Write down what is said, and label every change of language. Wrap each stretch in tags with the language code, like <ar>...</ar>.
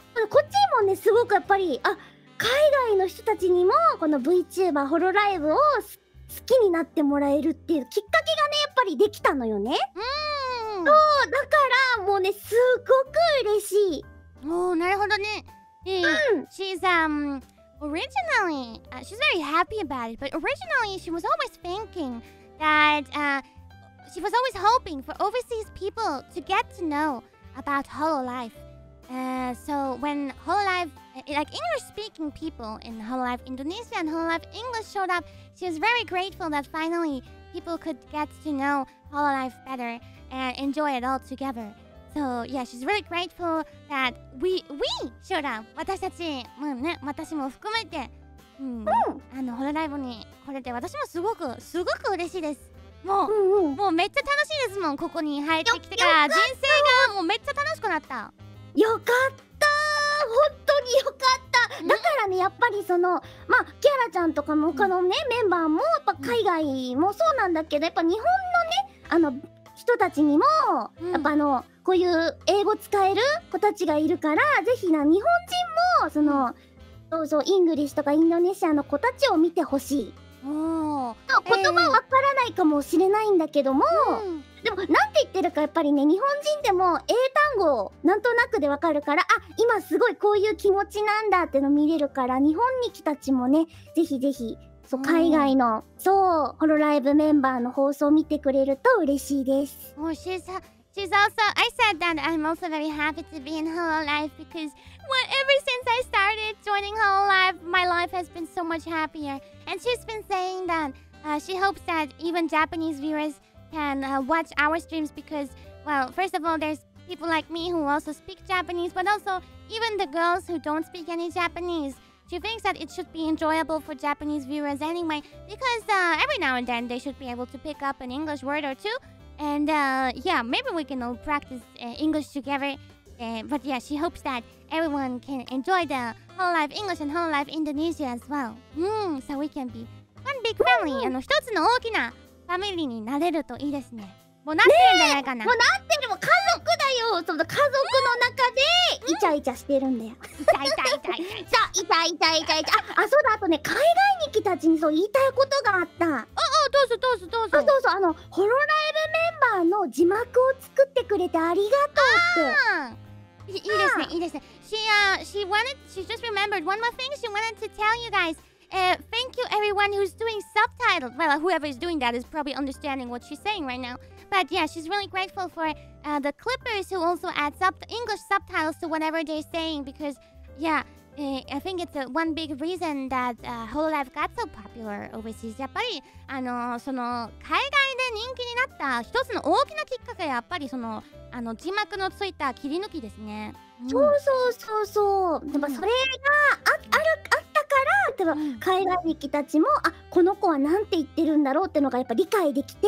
<ja>こっちもねすごくやっぱり、あ、海外の人たちにもこの VTuber ホロライブを好きになってもらえるっていうきっかけがね、やっぱりできたのよね。そう、だからもうね、すごく嬉しい。おー、なるほどね。</ja> <en>She's originally, she's very happy about it, but originally she was always thinking that, she was always hoping for overseas people to get to know about Hololive. So when Hololive, like English speaking people in Hololive Indonesia and Hololive English showed upShe was very grateful that finally people could get to know Hololive better and enjoy it all together. So yeah, she's really grateful that we showed up.</en> <ja>私たち、まあね、私も含めて、あのHololiveに来れて、私もすごくすごく嬉しいです。もう、もうめっちゃ楽しいですもん。ここに入ってきてから人生がもうめっちゃ楽しくなった。よかったー。本当によかった。だからね、やっぱりそのまあキアラちゃんとかの他のね、メンバーもやっぱ海外もそうなんだけど、やっぱ日本のね、あの人たちにも、やっぱあのこういう英語使える子たちがいるから、ぜひな、日本人もその、どうぞイングリッシュとかインドネシアの子たちを見てほしい。言葉わからないかもしれないんだけども、でもなんて言ってるかやっぱりね、日本人でも英単語なんとなくでわかるから、あ、今すごいこういう気持ちなんだっての見れるから、日本に来たちもね、ぜひぜひそう、海外の、そう、ホロライブメンバーの放送を見てくれると嬉しいです。</ja> <en>Oh, she's also, I said that I'm also very happy to be in Hololive because what, ever since I started joining Hololive, my life has been so much happier. And she's been saying that, she hopes that even Japanese viewers can, watch our streams because, well, first of all, there's people like me who also speak Japanese, but also even the girls who don't speak any Japanese. She thinks that it should be enjoyable for Japanese viewers anyway because, every now and then they should be able to pick up an English word or two and, yeah, maybe we can all practice, English together, but yeah, she hopes that everyone can enjoy the Hololive English and Hololive Indonesia as well、so we can be one big family、</en> <ja>あの一つの大きなファミリーになれるといいですねもうなってるんじゃないかな、ね、もうなってるも家族だよその家族の中でイチャイチャしてるんだよ、イチャイチャイチャイチャイチャイチャイチャイチャ あ、そうだあとね海外に来たちにそう言いたいことがあったああどうぞどうぞどうぞあそうそうあのホロライブメンバーの字幕を作ってくれてありがとうってあ いいですねいいですね</ja> <en>She, she, wanted, she just remembered one more thing she wanted to tell you guys、thank you everyone who's doing subtitles well whoever is doing that is probably understanding what she's saying right nowBut yeah, she's really grateful for、the clippers who also add English subtitles to whatever they're saying because, yeah,、I think it's、one big reason that、Hololive got so popular overseas.</en> <ja>やっぱり、その海外で人気になった一つの大きなきっかけはやっぱりその、字幕のついた切り抜きですね。そうそうそうそう。でもそれが あったから、でも海外に来たちも、あ、この子はなんて言ってるんだろうってのがやっぱ理解できて。</ja>